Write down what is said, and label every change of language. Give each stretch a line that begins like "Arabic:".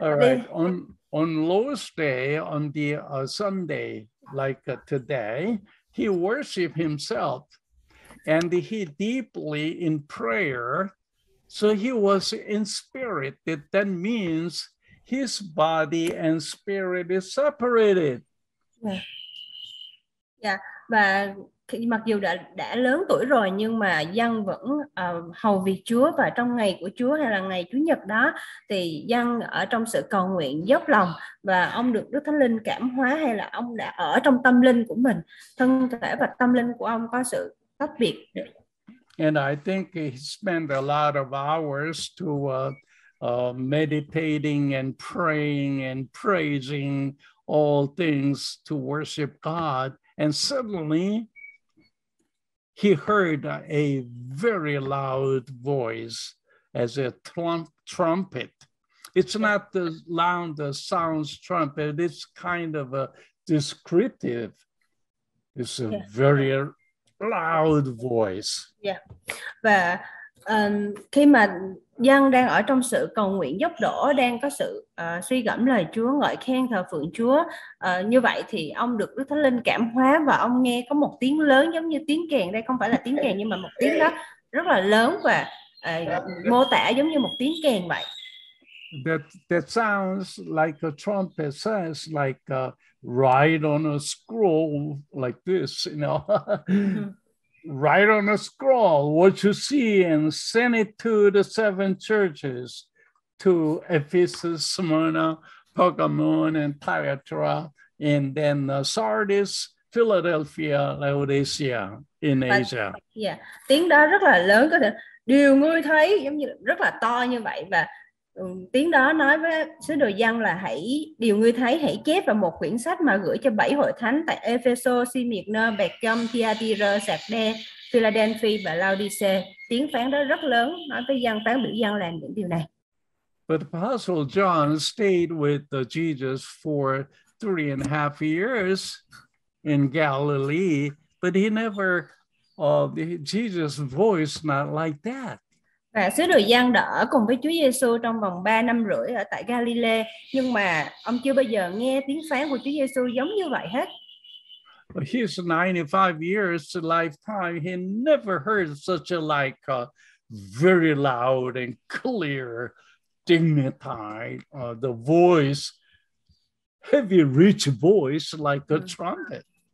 English: all right, on Lord's day, on the Sunday, like today, he worshiped himself, and he deeply in prayer. So he was in spirit. That means his body and spirit is separated.
Vietnamese: Và mặc dù đã lớn tuổi rồi nhưng mà Giang vẫn hầu việc Chúa, và trong ngày của Chúa hay là ngày Chủ nhật đó thì Giang ở trong sự cầu nguyện dốc lòng, và ông được Đức Thánh Linh cảm hóa, hay là ông đã ở trong tâm linh của mình, thân thể và tâm linh của ông có sự tách biệt.
English: And I think he spent a lot of hours to meditating and praying and praising all things to worship God. And suddenly, he heard a very loud voice as a trumpet. It's not the loud sounds trumpet. It's kind of a descriptive. It's a very loud voice.
Vietnamese: Và khi mà dân đang ở trong sự cầu nguyện dốc đổ, đang có sự suy gẫm lời Chúa, ngợi khen thờ phượng Chúa, như vậy thì ông được Đức Thánh Linh cảm hóa, và ông nghe có một tiếng lớn giống như tiếng kèn. Đây không phải là tiếng kèn, nhưng mà một tiếng đó rất là lớn, và mô tả giống như một tiếng kèn vậy.
English: That sounds like a trumpet, says like write on a scroll like this, you know. Write on a scroll what you see and send it to the seven churches, to Ephesus, Smyrna, Pergamon, and Thyatira, and then Sardis, Philadelphia, Laodicea in Asia.
Vietnamese: Tiếng đó rất là lớn, có thể điều ngươi thấy giống như rất là to như vậy, và tiếng đó nói với sứ đồ dân là hãy điều ngươi thấy hãy chép vào một quyển sách mà gửi cho bảy hội thánh tại Epheso, Smyrna, Pergamon, Thyatira, Sardis, Philadelphia và Laodicea. Tiếng phán đó rất lớn, nói với dân, phán biểu dân làm những điều này.
English: But the Apostle John stayed with Jesus for 3.5 years in Galilee, but he never Jesus' voice not like that.
Vietnamese: Và sứ đồ Giăng đã ở cùng với Chúa Giêsu trong vòng 3 năm rưỡi ở tại Galilee, nhưng mà ông chưa bao giờ nghe tiếng phán của Chúa Giêsu giống như vậy hết.
English: His 95 years lifetime, he never heard such a like a very loud and clear dignified the voice, heavy rich voice like a trumpet.